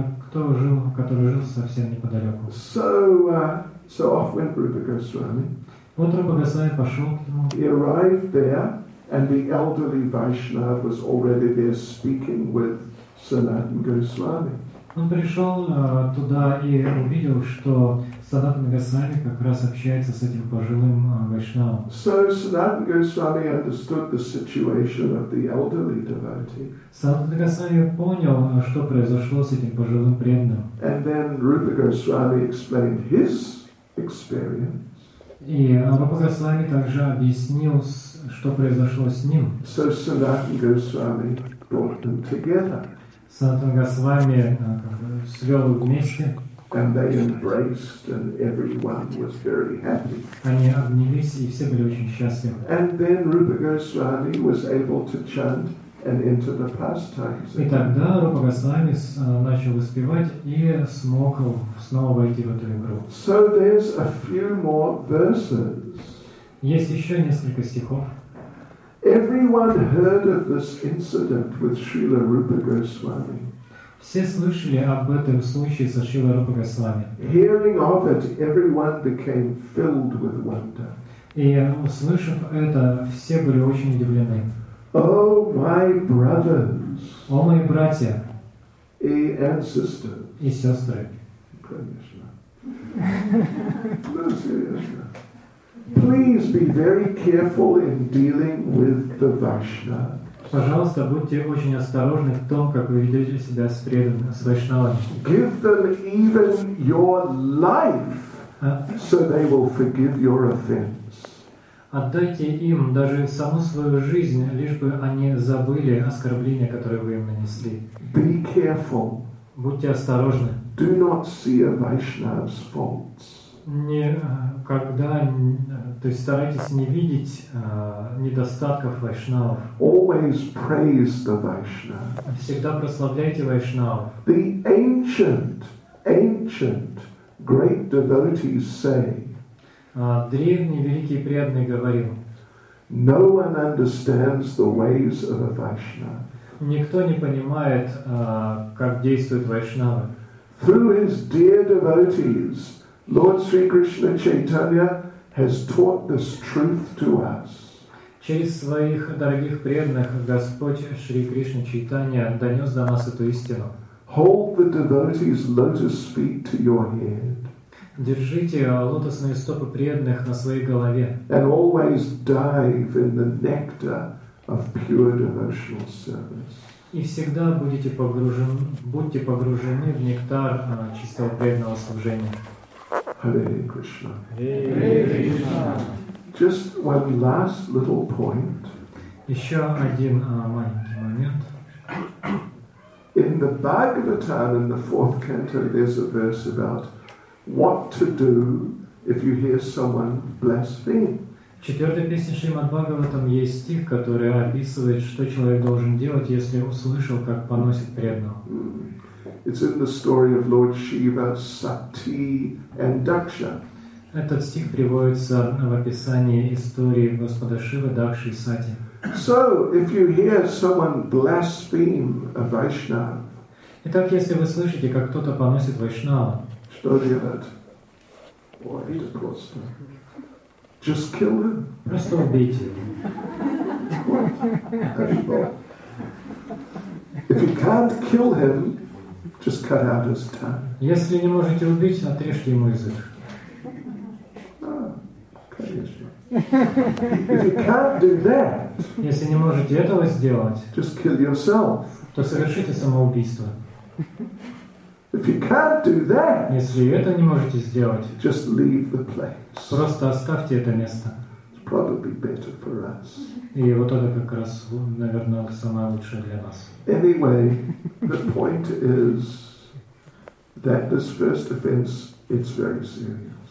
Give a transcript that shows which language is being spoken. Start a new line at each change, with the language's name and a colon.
Russian: Кто жил, который жил совсем неподалеку?
English: So off went Rupa Goswami.
Russian: Вот Рупа Госвами пошел к нему.
English: He arrived there, and the elderly Vaishnava was already there speaking with Sanatana Goswami.
Russian: Он пришел туда и увидел, что Санатана Госвами как раз общается с этим пожилым вайшнавом.
English: So Sanatana Goswami understood the situation of the elderly devotee.
Russian: Санатана Госвами понял, что произошло с этим пожилым преданным.
English: And then Rupa Goswami explained his experience.
Russian: И Рупа Госвами также объяснил, что произошло с ним.
English: So Sanatana Goswami brought them together.
Russian: Санатана Госвами свел их вместе.
English: And they embraced, and everyone was very happy.
Russian: Они обнялись, и все были очень счастливы.
English: And then Rupa Goswami was able to chant and enter the pastimes.
Russian: И тогда Рупа Госвами начал воспевать и смог снова войти в эту игру.
English: So there's a few more verses.
Russian: Есть еще несколько стихов.
English: Everyone heard of this incident with Srila Rupa Goswami.
Russian: Все слышали об этом случае со Шрила Рупа Госвами.
English: Hearing of it, everyone became filled with wonder.
Russian: И услышав это, все были очень удивлены.
English: Oh, my brothers!
Russian: О, мои братья! И сестры! И сестры! Конечно. Ну, серьезно.
English: Please be very careful in dealing with the Vaishnavas.
Russian: Пожалуйста, будьте очень осторожны в том, как вы ведете себя с преданными, с вайшнавами.
English: Give them even your life, so they will forgive your offense.
Russian: Отдайте им даже саму свою жизнь, лишь бы они забыли оскорбление, которое вы им нанесли.
English: Be careful.
Russian: Будьте осторожны.
English: Do not see a Vaishnava's faults.
Russian: То есть старайтесь не видеть недостатков вайшнавов.
English: Always praise the Vaishnava.
Russian: Всегда прославляйте вайшнавов.
English: The ancient great devotees say.
Russian: Древний великий преданный говорил.
English: No one understands the ways of a Vaishnava.
Russian: Никто не понимает, как действуют вайшнавы.
English: Through his dear devotees, Lord Sri Krishna Chaitanya has taught this truth to us.
Russian: Через своих дорогих преданных Господь Шри Кришна Чайтанья донес до нас эту истину.
English: Hold the devotees' lotus feet to your head.
Russian: Держите лотосные стопы преданных на своей голове.
English: And always dive in the nectar of pure devotional service.
Russian: И всегда будьте погружены в нектар чистого преданного служения.
English: Hare Krishna. Hare Krishna. Just one last little point.
Russian: Еще один маленький момент.
English: In the Bhagavatam, in the fourth canto, there's a verse about what to do if you hear someone blaspheme.
Russian: В четвертой песне Шримад-Бхагаватам есть стих, который описывает, что человек должен делать, если услышал, как поносит преданного.
English: It's in the story of Lord Shiva, Sati, and Daksha.
Russian: Этот стих приводится в описании истории Господа Шивы, Дакши и Сати.
English: So, if you hear someone blaspheme a Vaishnava,
Russian: итак, если вы слышите, как кто-то поносит вайшнава, что делать? Ой, это просто.
English: Just kill him.
Russian: Просто убейте его.
English: If you can't kill him, just cut out his tongue.
Russian: Если не можете убить, отрежьте ему язык.
English: Ah,
Russian: конечно.
English: If you can't do that,
Russian: если не можете этого сделать,
English: just kill yourself.
Russian: То совершите самоубийство.
English: If you can't do that,
Russian: если это не можете сделать,
English: just leave the place.
Russian: Просто оставьте это место.
English: It's probably better for us.
Russian: И вот это как раз, наверное, самое лучшее для нас.
English: Anyway, the point is that this first offense, it's very serious.